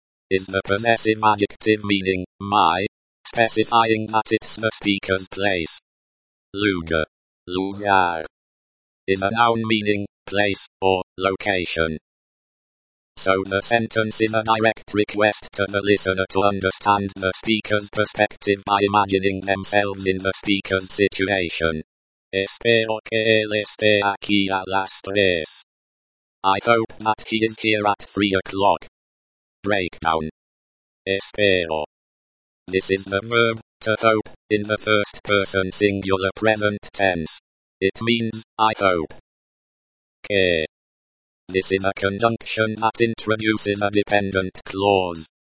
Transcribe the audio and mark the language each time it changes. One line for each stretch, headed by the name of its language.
English: Is the possessive adjective meaning, my, specifying that it's the speaker's place. Lugar. Lugar. Is a noun meaning, place, or, location. So the sentence is a direct request to the listener to understand the speaker's perspective by imagining themselves in the speaker's situation.
Spanish: Espero que él esté aquí a las tres.
English: I hope that he is here at 3 o'clock. Breakdown. Espero. This is the verb, to hope, in the first person singular present tense. It means, I hope. Que. This is a conjunction that introduces a dependent clause.